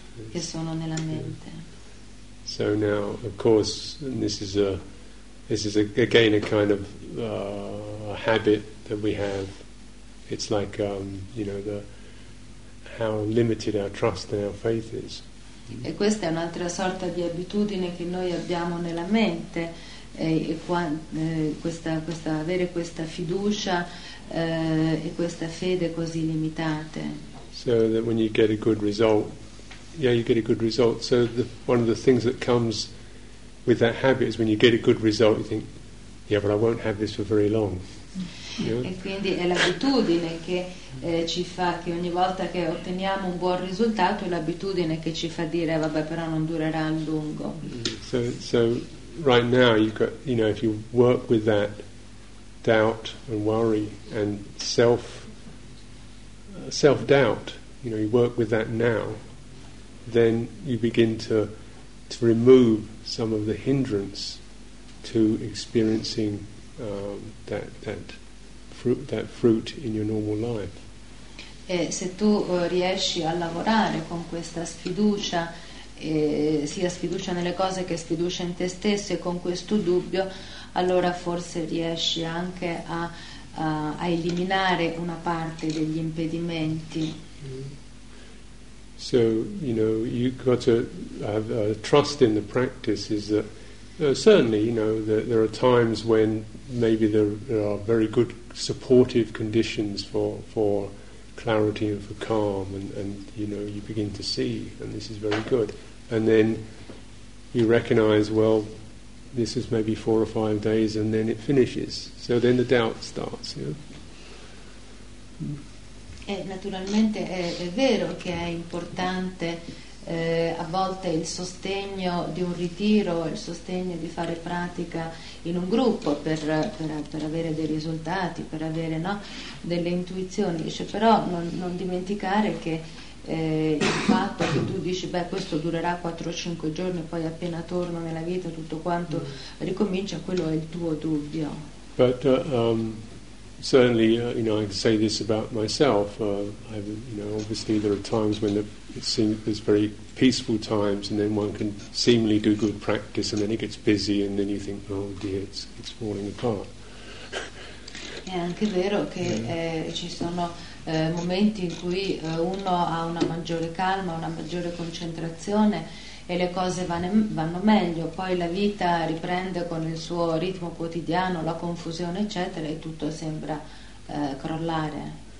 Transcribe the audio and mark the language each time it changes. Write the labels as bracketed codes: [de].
[it] Che sono nella mente. [en] Yeah. So now, of course, and this is again a kind of habit that we have. It's like how limited our trust and our faith is. [it] E questa è un'altra sorta di abitudine che noi abbiamo nella mente, questa avere questa fiducia e questa fede così limitate. [en] So that when you get a good result, you get a good result. So one of the things that comes with that habit is when you get a good result, you think, yeah, but I won't have this for very long. [it] Yeah. E quindi è l'abitudine che ci fa, che ogni volta che otteniamo un buon risultato è l'abitudine che ci fa dire vabbè, però non durerà a lungo. [en] So right now you've got, you know, if you work with that doubt and worry and self-doubt, you know, you work with that now, then you begin to remove some of the hindrance to experiencing that fruit in your normal life. [it] E se tu riesci a lavorare con questa sfiducia, sia sfiducia nelle cose che sfiducia in te stesso, e con questo dubbio, allora forse riesci anche a eliminare una parte degli impedimenti. [en] So, you know, you've got to have a trust in the practice. Is that certainly, you know, there are times when maybe there are very good supportive conditions for clarity and for calm, and you know, you begin to see, and this is very good, and then you recognize, well, this is maybe 4 or 5 days and then it finishes, so then the doubt starts, you know? [it] E naturalmente è vero che è importante a volte il sostegno di un ritiro, il sostegno di fare pratica in un gruppo per avere dei risultati, per avere, no, delle intuizioni, dice, però non dimenticare che il fatto che tu dici beh, questo durerà 4-5 giorni, poi appena torno nella vita tutto quanto ricomincia, quello è il tuo dubbio. [en] But certainly, you know, I can say this about myself. I've, you know, obviously there are times when it seems there's very peaceful times, and then one can seemingly do good practice, and then it gets busy, and then you think, oh dear, it's falling apart. [it] È anche vero che ci sono momenti in cui uno ha una maggiore calma, una maggiore concentrazione, e le cose vanno meglio, poi la vita riprende con il suo ritmo quotidiano, la confusione eccetera, e tutto sembra crollare.